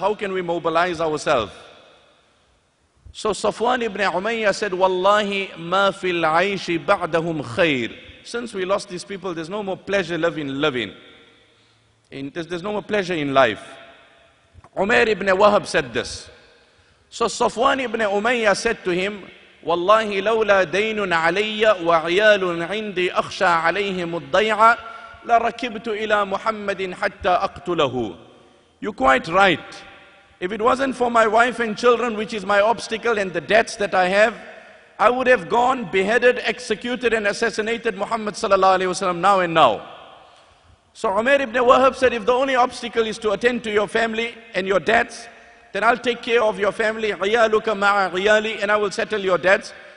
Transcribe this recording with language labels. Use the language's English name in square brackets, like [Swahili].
[English] How can we mobilize ourselves? So Safwan ibn Umayyah said, [Arabic] Wallahi ma fil aishi ba'dahum khair. [English] Since we lost these people, there's no more pleasure living. There's no more pleasure in life. Umayr ibn Wahab said this. So Safwan ibn Umayyah said to him, [Arabic] والله لولا دين علي وعيال عندي أخشى عليهم الضيعة لركبت إلى محمد حتى أقتله. [English] You're quite right. If it wasn't for my wife and children, which is my obstacle, and the debts that I have, I would have gone, beheaded, executed, and assassinated Muhammad sallallahu alaihi wasallam now and now. So Umair ibn Wahab said, if the only obstacle is to attend to your family and your debts, then I'll take care of your family, [Arabic] عِيَالُكَ مَعَ عِيَالِي, [English] and I will settle your debts.